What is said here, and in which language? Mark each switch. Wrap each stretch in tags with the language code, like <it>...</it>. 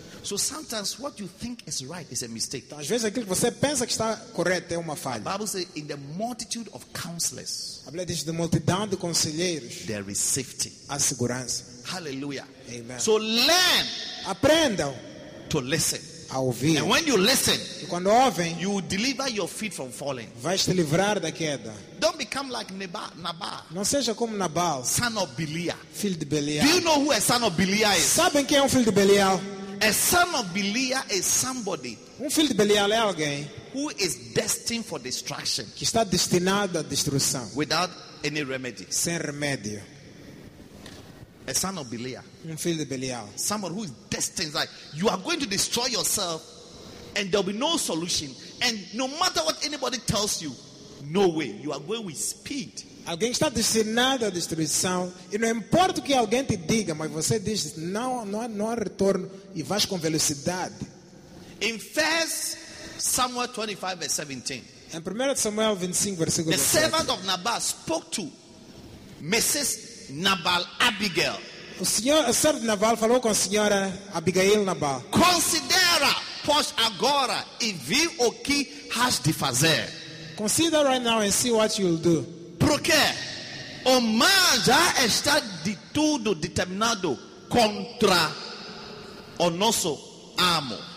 <en>So sometimes what you think is right is a mistake.</en> <pt>Às vezes aquilo que você pensa que está correto é uma falha.</pt> <en>The Bible says in the multitude of counselors.</en> <pt>A Bíblia diz, de multidão de conselheiros.</pt> <en>There is safety.</en> <pt>A segurança. Hallelujah. Amen.</pt> <en>So learn.</en> <pt>Aprendam.</pt> <en>To listen.</en> <pt>A ouvir.</pt> <en>And when you listen,</en> <pt>quando ouvem,</pt> <en>you will deliver your feet from falling.</en> <pt>Vais te livrar da queda.</pt> <en>Don't become like Nabal.</en> <pt>Não seja como Nabal.</pt> <en>Son of Belial.</en> <pt>Filho de Belial.</pt> <en>Do you know who a son of Belial is?</en> <pt>Sabem quem é filho de Belial?</pt> <en>A son of Belial is somebody.</en> <pt>Filho de Belial é alguém</pt> <en>who is destined for destruction.</en> <pt>Que está destinado à destruição.</pt> <en>Without any remedy.</en> <pt>Sem remédio.</pt> <en>A son of Belial.</en> <pt>Filho de Belial.</pt> <en>Someone who is destined, like you are going to destroy yourself, and there'll be no solution. And no matter what anybody tells you, no way. You are going with speed.</en> <pt>Alguém está destinado à destruição. E não importa o que alguém te diga, mas você diz, não há retorno e vais com velocidade.</pt> <en>In 1 Samuel 25, verse 17.</en> <pt>Em 1 Samuel 25, versículo 17.</pt> <en>The servant of Nabal spoke to Mrs. Nabal Abigail.</en> <pt>O senhor, o servo de Nabal falou com a senhora Abigail Nabal. Considera, pois agora, e vê o que has de fazer.</pt> <en>Consider right now and see what you'll do.</en> <pt>Porque o mal já está de tudo determinado contra o nosso amo.</pt>